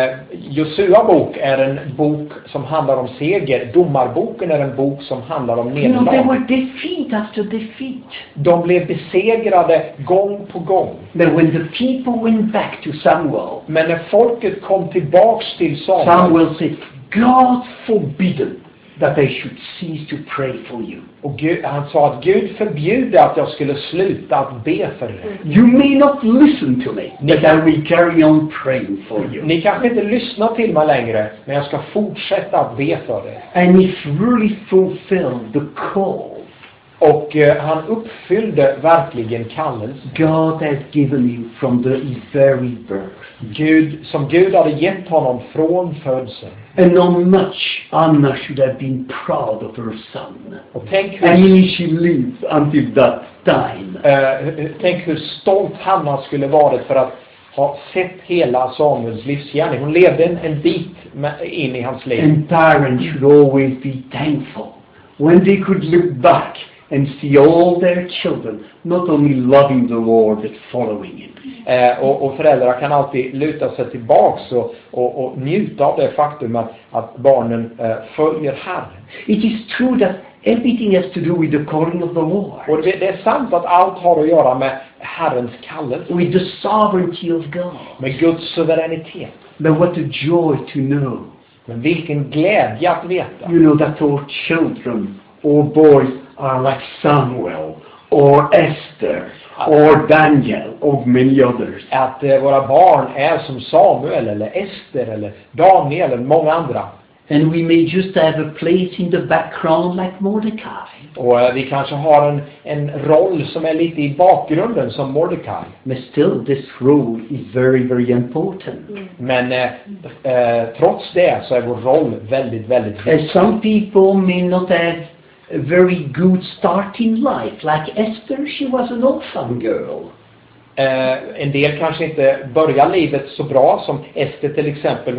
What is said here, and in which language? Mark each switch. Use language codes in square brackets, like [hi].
[sv] Josua bok är en bok som handlar om seger. Domarboken är en bok som handlar om nedlag. [en] You know, they were defeat after defeat. [sv] De blev besegrade gång på gång. [en] But when the people went back to Samuel, [sv] men när folket kom tillbaks till Samuel, [en] Samuel said, God forbidden that they should cease to pray for you. [sv] Och Gud, han sa att Gud förbjuder att jag skulle sluta att be för er. [en] You may not listen to me, but I will carry on praying for you. [sv] Ni kanske inte lyssnar till mig längre, men jag ska fortsätta att be för er. [en] And he really fulfilled the call. [sv] Och han uppfyllde verkligen kallelsen. [en] God has given him from the very birth. [sv] Gud, som Gud hade gett honom från födseln. [en] And how much Anna should have been proud of her son. [sv] Och tänk hur, [en] and she lived until that time. [sv] Tänk hur stolt Hanna skulle varit för att ha sett hela Samuels livsgärning. Hon levde en bit in i hans liv. [en] And parents should always be thankful when they could look back and see all their children not only loving the Lord but following him. [sv] Och föräldrar kan alltid luta sig tillbaks och njuta av det faktum att barnen följer Herren. [en] It is true that everything has to do with the calling of the Lord. [sv] Och det är sant att allt har att göra med Herrens kallelse. [en] With the sovereignty of God. [sv] Med Guds suveränitet. [en] But what a joy to know. [sv] Men vilken glädje att veta. [en] You know that our children or boys are like Samuel or Esther or Daniel or many others. [sv] Att våra barn är som Samuel eller Esther eller Daniel eller många andra. [en] And we may just have a place in the background like Mordecai. [sv] Och vi kanske har en roll som är lite i bakgrunden som Mordecai. [en] But still this role is very very important. [sv] Men trots det så är vår roll väldigt väldigt viktig. [en] And some people may not have a very good start in life. Like Esther, she was an orphan girl. [sv] En del kanske inte börjar livet så bra som Esther till exempel.